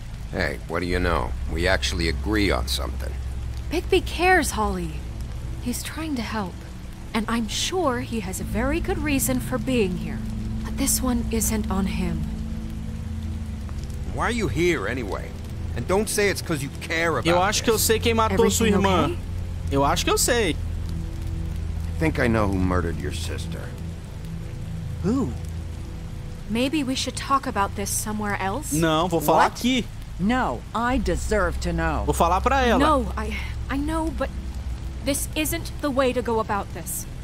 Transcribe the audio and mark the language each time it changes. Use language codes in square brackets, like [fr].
[en] Hey, what do you know? We actually agree on something. Bigby cares, Holly. He's trying to help, and I'm sure he has a very good reason for being here. But this one isn't on him. Why are you here anyway? And don't say it's because you care about [pt] him. Eu acho que eu sei quem matou sua irmã. Eu acho que eu sei. [en] I think I know who murdered your sister. Who? Maybe we should talk about this somewhere else? [pt] Não, vou falar aqui. [en] No, I deserve to know. [pt] Vou falar pra ela. [en] No, I know, but... This isn't the way to go about this.